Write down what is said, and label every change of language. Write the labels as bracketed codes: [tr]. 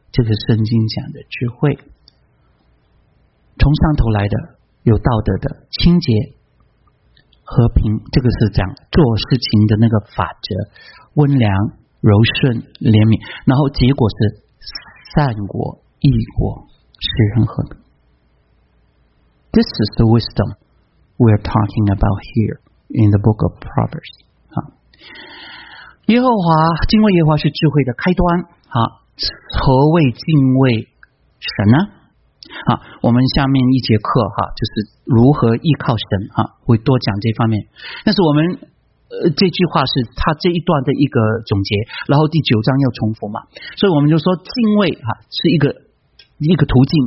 [zh] 这个圣经讲的智慧，从上头来的，有道德的，清洁和平，这个是讲做事情的那个法则，温良柔顺怜悯，然后结果是善果义果使人和平。 [en] This is the wisdom we are talking about here in the book of Proverbs。 [zh] 耶和华，敬畏耶和华是智慧的开端。何谓敬畏神呢？我们下面一节课就是如何依靠神，会多讲这方面。但是我们这句话是他这一段的一个总结，然后第九章要重复嘛，所以我们就说敬畏是一个途径。